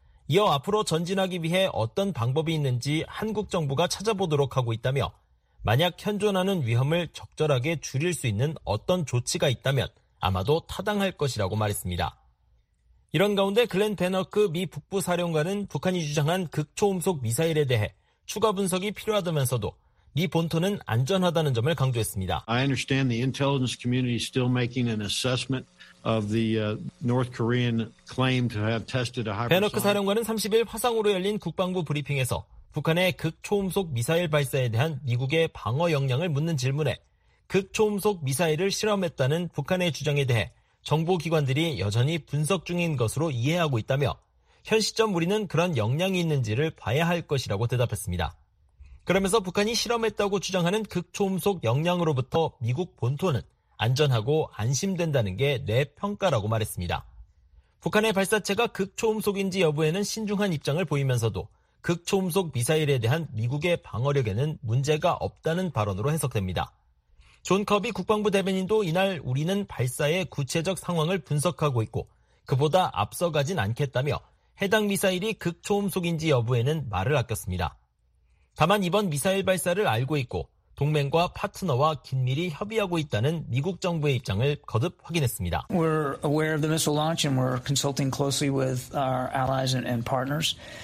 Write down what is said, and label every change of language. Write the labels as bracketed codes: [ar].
[ko] 이어 앞으로 전진하기 위해 어떤 방법이 있는지 한국 정부가 찾아보도록 하고 있다며 만약 현존하는 위험을 적절하게 줄일 수 있는 어떤 조치가 있다면 아마도 타당할 것이라고 말했습니다. 이런 가운데 글렌 베너크 미 북부 사령관은 북한이 주장한 극초음속 미사일에 대해 추가 분석이 필요하다면서도 미 본토는 안전하다는 점을 강조했습니다. [en] I understand the intelligence community still making an assessment of the North Korean claim to have tested a hypersonic. [ko] 베너크 사령관은 30일 화상으로 열린 국방부 브리핑에서 북한의 극초음속 미사일 발사에 대한 미국의 방어 역량을 묻는 질문에 극초음속 미사일을 실험했다는 북한의 주장에 대해 정보기관들이 여전히 분석 중인 것으로 이해하고 있다며 현 시점 우리는 그런 역량이 있는지를 봐야 할 것이라고 대답했습니다. 그러면서 북한이 실험했다고 주장하는 극초음속 역량으로부터 미국 본토는 안전하고 안심된다는 게 내 평가라고 말했습니다. 북한의 발사체가 극초음속인지 여부에는 신중한 입장을 보이면서도 극초음속 미사일에 대한 미국의 방어력에는 문제가 없다는 발언으로 해석됩니다. 존 커비 국방부 대변인도 이날 우리는 발사의 구체적 상황을 분석하고 있고 그보다 앞서가진 않겠다며 해당 미사일이 극초음속인지 여부에는 말을 아꼈습니다. 다만 이번 미사일 발사를 알고 있고 동맹과 파트너와 긴밀히 협의하고 있다는 미국 정부의 입장을 거듭 확인했습니다. [en] We're aware of the missile launch and we're consulting closely with our allies and partners.